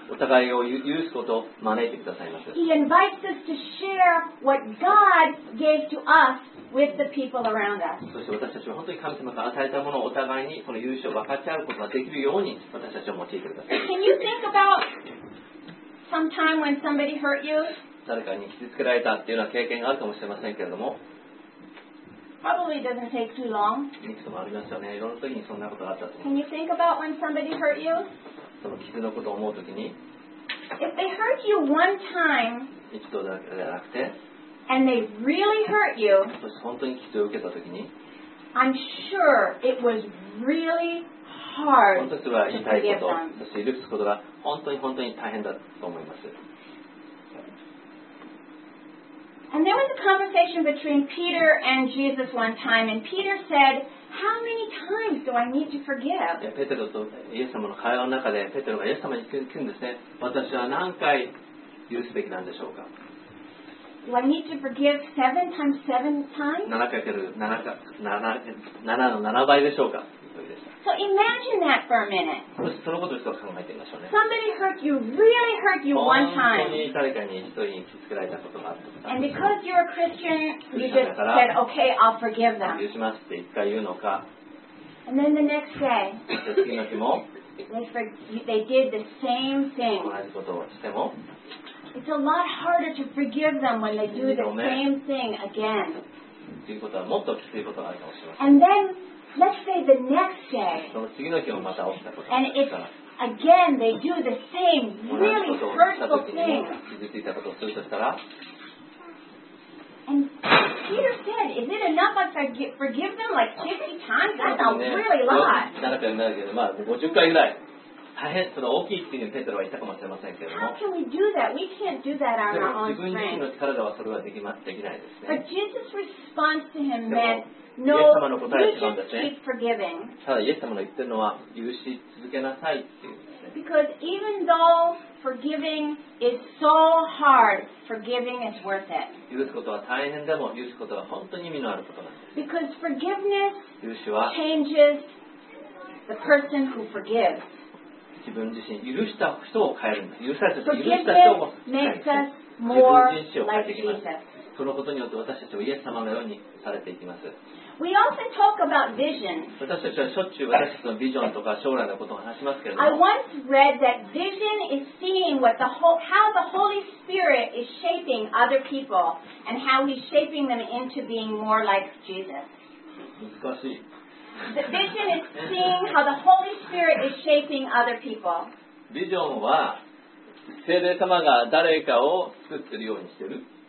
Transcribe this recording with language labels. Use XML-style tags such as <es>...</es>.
<ja>お互いを許すことを招いてくださいます。</ja> <en>He invites us to share what God gave to us with the people around us.</en> <ja>そして私たちは本当に神様が与えたものをお互いにこの許しを分かち合うことができるように私たちを用いてください。</ja> <en>Can you think about some time when somebody hurt you?</en> <ja>誰かに傷つけられたっていうような経験があるかもしれませんけれども。</ja> <en>Probably doesn't take too long.</en> <ja>いつもありますよね。いろんな時にそんなことがあったと。</ja> <en>Can you think about when somebody hurt you?</en> <ja>その傷のことを思うときに。</ja> <en>If they hurt you one time,</en> <ja>一度だけではなくて、</ja> <en>and they really hurt you,</en> <ja>そして本当に傷を受けたときに、</ja> <en>I'm sure it was really hard.</en> <ja>本当には痛いこと、そして許すことが本当に本当に大変だと思います。</ja> <en>And there was a conversation between Peter and Jesus one time, and Peter said, "How many times do I need to forgive?"</en> <ja>Yeah, Peter とイエス様の会話の中でペテロがイエス様に聞くんですね。私は何回許すべきなんでしょうか。</ja> <en>Do I need to forgive seven times seven times?</en> <ja>7×7の7倍でしょうか。</ja> <en>So imagine that for a minute.</en> <ja>そのことを考えてみましょうね。</ja> <en>Somebody hurt you, really hurt you one time.</en> <ja>本当に誰かに一人に傷つけられたことがあった。</ja> <en>And because you're a Christian, you just said, "Okay, I'll forgive them."</en> <ja>許しますって一回言うのか。</ja> <en>And then the next day,</en> <ja>次の日も、</ja> <en>they did the same thing.</en> <ja>同じことをしても、</ja> <en>It's a lot harder to forgive them when they do the same thing again.</en> <ja>ということはもっときついことがあるかもしれません。</ja> <en>And then Let's say the next day.</en> <ja>その次の日もまた起きたことがあったら。</ja> <en>And if again they do the same really hurtful thing.</en> <ja>傷ついたことをするとしたら。</ja> <en>And Peter said, "Is it enough if I forgive them like 50 times? That's a really lot."</en> <ja>なるべくなるべく、まあ50回ぐらい。大変それ大きいっていうのにペテロは言ったかもしれませんけども。</ja> <en>How can we do that? We can't do that on our own strength.</en> <ja>自分自身の力ではそれはできないですね。</ja> <en>But Jesus' response to him meant. No,</en> <ja>イエス様の答えは違うんですね。</ja> <en>keep forgiving.</en> <ja>ただイエス様の言ってるのは許し続けなさいっていう、ね、</ja> <en>Because even though forgiving is so hard, forgiving is worth it.</en> <ja>許すことは大変でも許すことは本当に意味のあることなんです。</ja> <en>Because forgiveness</en> <ja>許しは</ja> <en>changes the person who forgives.</en> <ja>自分自身許した人を変えるんです。許された人、許した人も変える。</ja> <en>Forgiveness makes us more like Jesus.</en> <ja>そのことによって私たちをイエス様のようにされていきます。</ja> <en>We often talk about vision.</en> <ja>私たちはしょっちゅう私たちのビジョンとか将来のことを話しますけれども。</ja> <en>I once read that vision is seeing what the whole, how the Holy Spirit is shaping other people and how he's shaping them into being more like Jesus.</en> <ja>難しい。</ja> <en>The vision is seeing how the Holy Spirit is shaping other people.</en> <ja>ビジョンは聖霊様が誰かを作っているようにしている。</ja>